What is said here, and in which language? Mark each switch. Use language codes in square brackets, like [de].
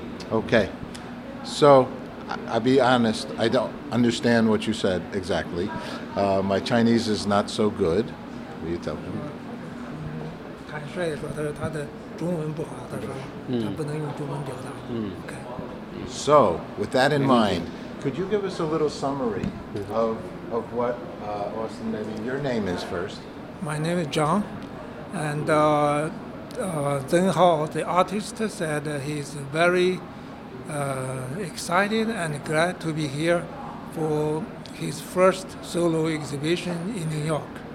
[en] ，OK， so I'll be honest, I don't understand what you said exactly. My Chinese is not so good. Will you tell him? [zh] 坦率地说，他说他的中文不好，他说他不能用中文表达。嗯，OK。 [en] So with that in mind, could you give us a little summary of what Austin, maybe your name is first? My name is John, and Zheng Hao, the artist, said he's very excited and glad to be here for his first solo exhibition in New York.